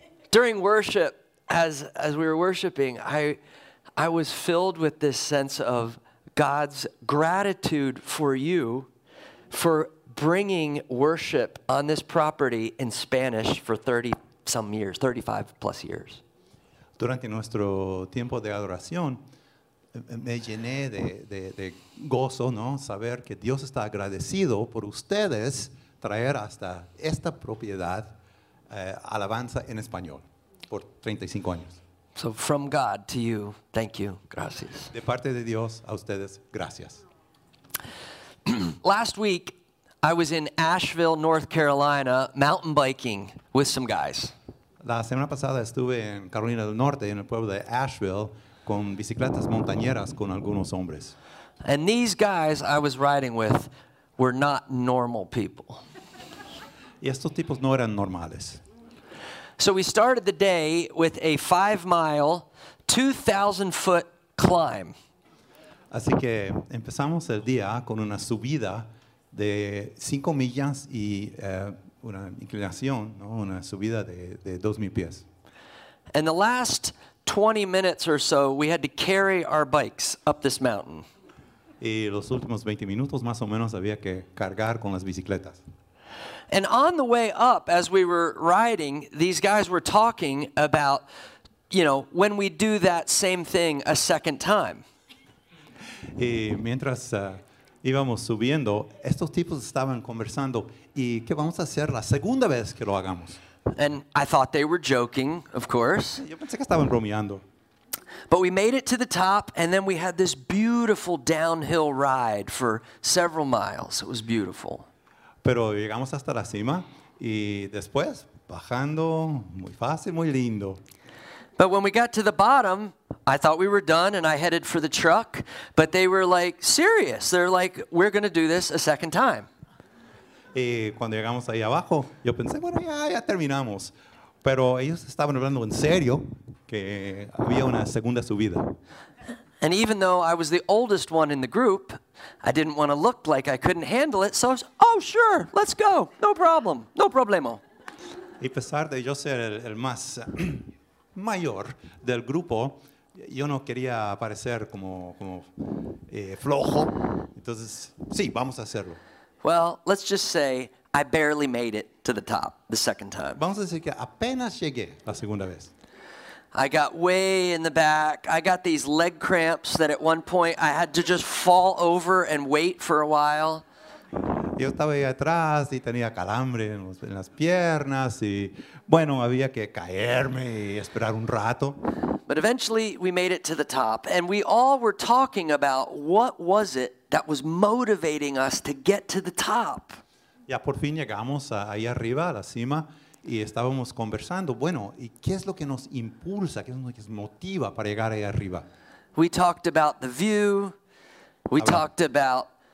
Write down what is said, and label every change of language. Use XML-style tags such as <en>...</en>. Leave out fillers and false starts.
<en>During worship, as we were worshiping, I was filled with this sense of God's gratitude for you, for bringing worship on this property in Spanish for 30 some years, 35 plus years.</en> <es>Durante nuestro tiempo de adoración, me llené de gozo, ¿no? Saber que Dios está agradecido por ustedes traer hasta esta propiedad alabanza en español por 35 años.</es> <en>So from God to you, thank you, gracias.</en> <es>De parte de Dios a ustedes, gracias.</es> <en>Last week, I was in Asheville, North Carolina, mountain biking with some guys.</en> <es>La semana pasada estuve en Carolina del Norte, en el pueblo de Asheville, con bicicletas montañeras con algunos hombres.</es> <en>And these guys I was riding with were not normal people.</en> <es>Y estos tipos no eran normales.</es> <en>So we started the day with a 5-mile, 2,000-foot climb.</en> <es>Así que empezamos el día con una subida de 5 millas y una inclinación, ¿no? Una subida de 2,000 pies.</es> <en>And the last 20 minutes or so, we had to carry our bikes up this mountain.</en> <es>Y los últimos 20 minutos más o menos había que cargar con las bicicletas.</es> <en>And on the way up, as we were riding, these guys were talking about, you know, when we do that same thing a second time.</en> <es>Y mientras íbamos subiendo, estos tipos estaban conversando, ¿y qué vamos a hacer la segunda vez que lo hagamos?</es> <en>And I thought they were joking, of course.</en> <es>Yo pensé que estaban bromeando.</es> <en>But we made it to the top, and then we had this beautiful downhill ride for several miles. It was beautiful.</en> <es>Pero llegamos hasta la cima, y después, bajando, muy fácil, muy lindo.</es> <en>But when we got to the bottom, I thought we were done and I headed for the truck, but they were like, serious. They're like, we're going to do this a second time.</en> <es>Y cuando llegamos ahí abajo, yo pensé, bueno, ya terminamos. Pero ellos estaban hablando en serio que había una segunda subida.</es> <en>And even though I was the oldest one in the group, I didn't want to look like I couldn't handle it. So I was, oh, sure, let's go. No problem. No problemo.</en> <es>Y a pesar de yo ser el más mayor del grupo, yo no quería parecer como flojo. Entonces, sí, vamos a hacerlo.</es> <en>Well, let's just say I barely made it to the top the second time.</en> <es>Vamos a decir que apenas llegué la segunda vez.</es> <en>I got way in the back. I got these leg cramps that at one point I had to just fall over and wait for a while.</en> <es>Yo estaba ahí atrás y tenía calambre en las piernas y bueno, había que caerme y esperar un rato.</es> <en>But eventually we made it to the top and we all were talking about what was it that was motivating us to get to the top.</en> <es>Ya por fin llegamos ahí arriba, a la cima, y estábamos conversando, bueno, ¿y qué es lo que nos impulsa, qué es lo que nos motiva para llegar ahí arriba?</es> <en>We talked about the view, we talked about</en>